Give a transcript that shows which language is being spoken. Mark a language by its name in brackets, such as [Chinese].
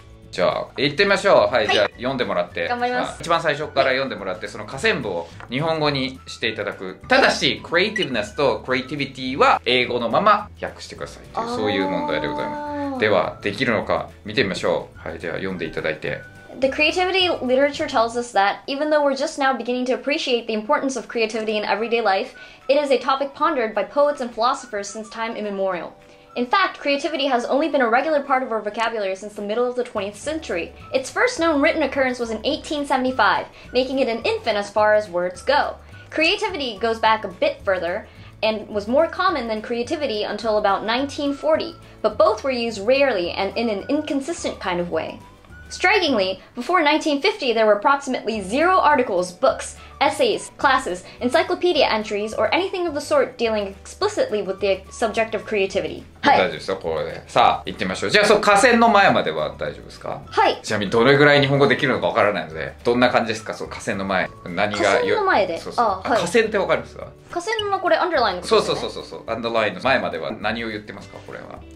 [Japanese] じゃあ行ってみましょう。はい、はい、じゃあ読んでもらって頑張ります。一番最初から読んでもらって、その下線部を日本語にしていただく。ただし、クリエイティブネスとクリエイティビティは英語のまま訳してくださいっていう、そういう問題でございます。ではできるのか見てみましょう。はい、じゃあ読んでいただいて。 [English] The creativity literature tells us that even though we're just now beginning to appreciate the importance of creativity in everyday life, it is a topic pondered by poets and philosophers since time immemorial. In fact, creativity has only been a regular part of our vocabulary since the middle of the 20th century. Its first known written occurrence was in 1875, making it an infant as far as words go. Creativity goes back a bit further and was more common than creativity until about 1940, but both were used rarely and in an inconsistent kind of way. Strikingly, before 1950, there were approximately zero articles, books, essays, classes, encyclopedia entries, or anything of the sort dealing explicitly with the subject of creativity. [Japanese] はい、大丈夫ですよ、これで。さあ、行ってみましょう。じゃあ、その河川の前までは大丈夫ですか？はい。ちなみに、どれぐらい日本語できるのかわからないので、どんな感じですか、その河川の前。何が河川の前で。そうそう、ああ、はい、河川ってわかるんですか？河川はこれ、アンダーラインのことですね。そうそうそうそう、アンダーラインの前までは何を言ってますか、これは。